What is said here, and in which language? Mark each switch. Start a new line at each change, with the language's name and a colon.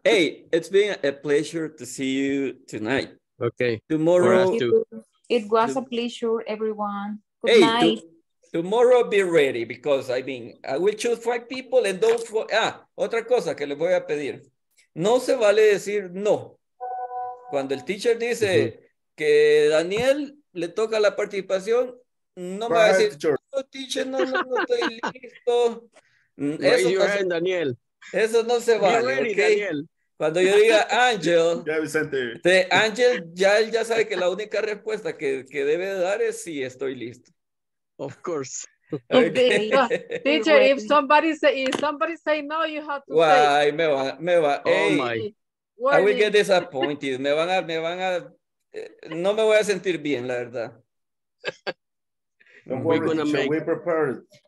English: Hey, it's been a pleasure to see you tonight. Okay. Tomorrow. It was a pleasure, everyone. Good night. Tomorrow be ready because, I will choose 5 people and those 4.
Spanish: Otra cosa que les voy a pedir. No se vale decir no. Cuando el teacher dice que Daniel le toca la participación, no me va a decir, no, teacher, no estoy listo. Eso no se vale, Daniel. Eso no se vale,
English: ready, okay?
Spanish: Cuando yo diga Ángel, Ángel ya sabe que la única respuesta que debe dar es sí, estoy listo.
English: Of course. Okay. Teacher, if somebody say no, you have to say.
Spanish: Me va.
English: Hey, oh my. I will get disappointed.
Spanish: Me van a no me voy a sentir bien, la verdad.
English: We prepared.